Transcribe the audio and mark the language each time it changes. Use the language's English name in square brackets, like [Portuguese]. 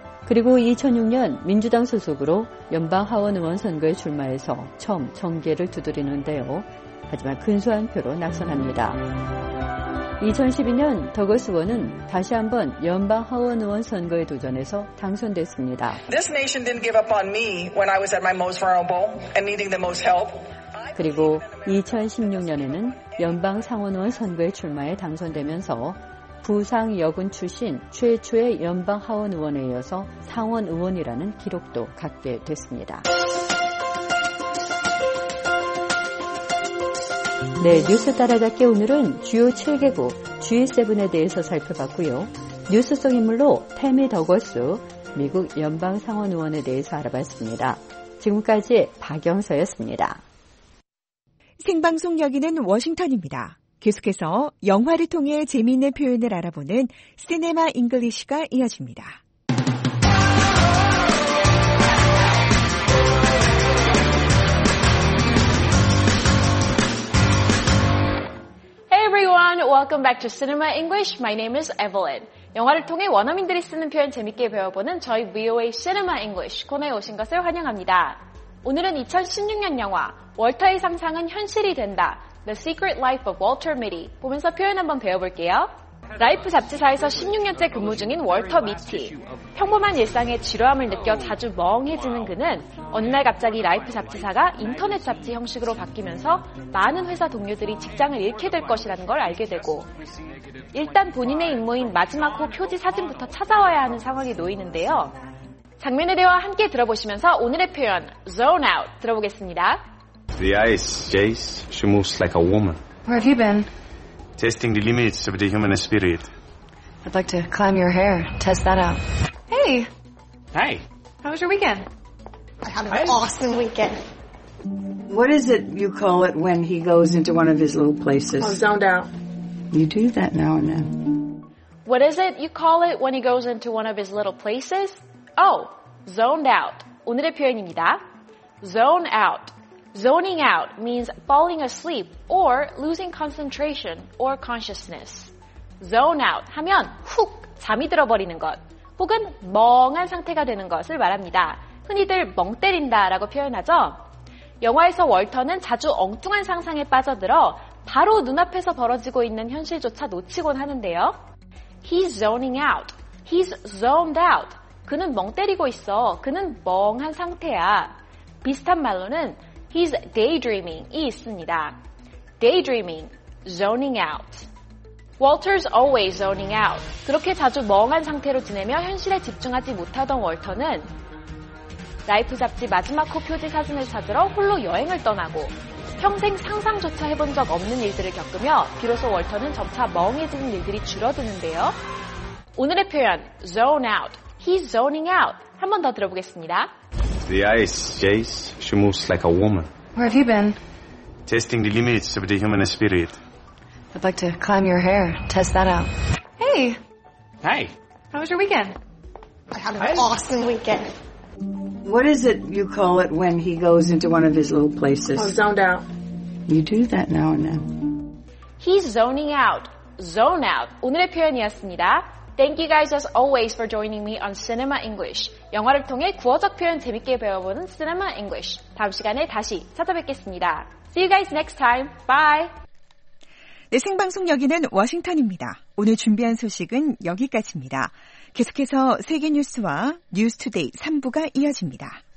[Korean] 그리고 2006년 민주당 소속으로 연방 하원 의원 선거에 출마해서 처음 정계를 두드리는데요. 하지만 근소한 표로 낙선합니다. 2012년 더거스 의원은 다시 한번 연방 하원 의원 선거에 도전해서 당선됐습니다. [English] This nation didn't give up on me when I was at my most vulnerable and needing the most help. [Korean] 그리고 2016년에는 연방 상원 의원 선거에 출마해 당선되면서 부상 여군 출신 최초의 연방 하원 의원에 이어서 상원 의원이라는 기록도 갖게 됐습니다. 네, 뉴스 따라잡기 오늘은 주요 7개국 G7에 대해서 살펴봤고요. 뉴스 속 인물로 태미 더거스 미국 연방 상원 의원에 대해서 알아봤습니다. 지금까지 박영서였습니다. 생방송 여기는 워싱턴입니다. 계속해서 영화를 통해 재미있는 표현을 알아보는 시네마 잉글리시가 이어집니다. [English] Everyone, welcome back to Cinema English. My name is Evelyn. [Korean] 영화를 통해 원어민들이 쓰는 표현 재밌게 배워보는 저희 VOA Cinema English 코너에 오신 것을 환영합니다. 오늘은 2016년 영화 월터의 상상은 현실이 된다 The Secret Life of Walter Mitty 보면서 표현 한번 배워볼게요. 라이프 잡지사에서 16년째 근무 중인 월터 미티. 평범한 일상에 지루함을 느껴 자주 멍해지는 그는 어느 날 갑자기 라이프 잡지사가 인터넷 잡지 형식으로 바뀌면서 많은 회사 동료들이 직장을 잃게 될 것이라는 걸 알게 되고 일단 본인의 임무인 마지막 호 표지 사진부터 찾아와야 하는 상황이 놓이는데요. 장면의 대화 함께 들어보시면서 오늘의 표현 Zone Out 들어보겠습니다. [English] The ice, Jace, she moves like a woman. Where have you been? Testing the limits of the human spirit. I'd like to climb your hair, test that out. Hey! Hey! How was your weekend? I had an awesome weekend. What is it you call it when he goes into one of his little places? Oh, zoned out. You do that now and then. What is it you call it when he goes into one of his little places? Oh, zoned out. [Korean] 오늘의 표현입니다. [English] Zone out. Zoning out means falling asleep or losing concentration or consciousness. [Korean] Zone out 하면 훅 잠이 들어버리는 것 혹은 멍한 상태가 되는 것을 말합니다. 흔히들 멍 때린다라고 표현하죠. 영화에서 월터는 자주 엉뚱한 상상에 빠져들어 바로 눈앞에서 벌어지고 있는 현실조차 놓치곤 하는데요. [English] He's zoning out. He's zoned out. [Korean] 그는 멍 때리고 있어. 그는 멍한 상태야. 비슷한 말로는 [English] He's daydreaming [Korean] 이 있습니다. [English] Daydreaming, zoning out. Walter's always zoning out. [Korean] 그렇게 자주 멍한 상태로 지내며 현실에 집중하지 못하던 월터는 라이프 잡지 마지막 호 표지 사진을 찾으러 홀로 여행을 떠나고 평생 상상조차 해본 적 없는 일들을 겪으며 비로소 월터는 점차 멍해지는 일들이 줄어드는데요. 오늘의 표현, zone out. [English] He's zoning out. [Korean] 한 번 더 들어보겠습니다. [English] The ice, Jace, she moves like a woman. Where have you been? Testing the limits of the human spirit. I'd like to climb your hair, test that out. Hey! Hey! How was your weekend? I had an awesome weekend. What is it you call it when he goes into one of his little places? Oh, zoned out. You do that now and then. He's zoning out. Zone out. [Korean] 오늘의 표현이었습니다. [English] Thank you guys as always for joining me on Cinema English. [Korean] 영화를 통해 구어적 표현 재밌게 배워보는 Cinema English. 다음 시간에 다시 찾아뵙겠습니다. [English] See you guys next time. Bye. [Korean] 네, 생방송 여기는 워싱턴입니다. 오늘 준비한 소식은 여기까지입니다. 계속해서 세계 뉴스와 뉴스 투데이 3부가 이어집니다.